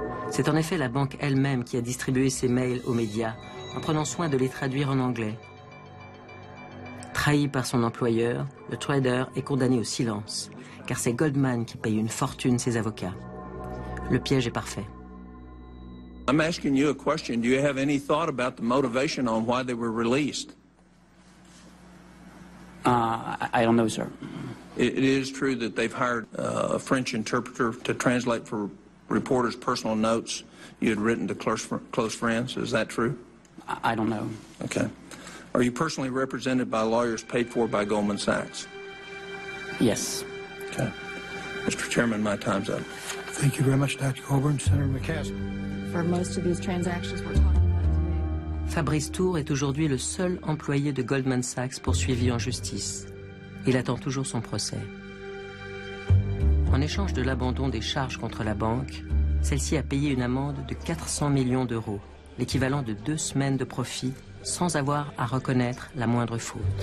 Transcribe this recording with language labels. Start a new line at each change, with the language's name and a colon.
French: C'est en effet la banque elle-même qui a distribué ses mails aux médias, en prenant soin de les traduire en anglais. Trahi par son employeur, le trader est condamné au silence, car c'est Goldman qui paye une fortune ses avocats. Le piège est parfait.
English: I'm asking you a question. Do you have any thought about the motivation on why they were released? I don't know, sir. It is true that they've hired a French interpreter to translate for reporters' personal notes you had written to close friends. Is that true? I don't know. Okay. Are you personally represented by lawyers paid for by Goldman Sachs? Yes. Okay. Mr. Chairman, my time's up. Thank you very much, Dr. Coburn, Senator McCaskill. For most of these transactions we're talking about today.
French: Fabrice Tour est aujourd'hui le seul employé de Goldman Sachs poursuivi en justice. Il attend toujours son procès. En échange de l'abandon des charges contre la banque, celle-ci a payé une amende de 400 millions d'euros, l'équivalent de 2 semaines de profit, sans avoir à reconnaître la moindre faute.